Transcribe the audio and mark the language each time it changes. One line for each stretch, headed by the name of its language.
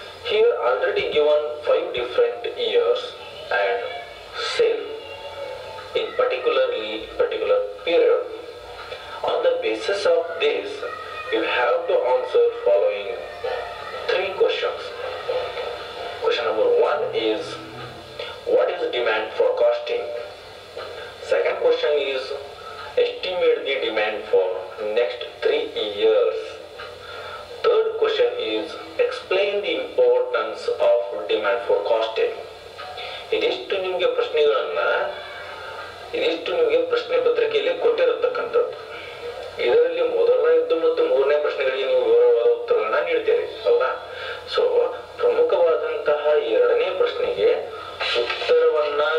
English: Here already given 5 different years and sale in particular period. On the basis of this you have to answer following 3 questions. Question number 1 is what is demand for costing. Second question is, estimate the demand for next 3 years. Third question is, explain the importance of demand for costing.
Kannada: ಇದಿಷ್ಟು ನಿಮಗೆ ಪ್ರಶ್ನೆಗಳನ್ನ ಇದಿಷ್ಟು ನಿಮಗೆ ಪ್ರಶ್ನೆ ಪತ್ರಿಕೆಯಲ್ಲಿ ಕೊಟ್ಟಿರತಕ್ಕಂಥದ್ದು. ಇದರಲ್ಲಿ ಮೊದಲನೆಯದ್ದು ಮತ್ತು ಮೂರನೇ ಪ್ರಶ್ನೆಗಳಿಗೆ ನೀವು ವಿವರವಾದ ಉತ್ತರಗಳನ್ನ ನೀಡ್ತೀರಿ, ಹೌದಾ? ಸೊ ಪ್ರಮುಖವಾದಂತಹ ಎರಡನೇ ಪ್ರಶ್ನೆಗೆ ಉತ್ತರವನ್ನ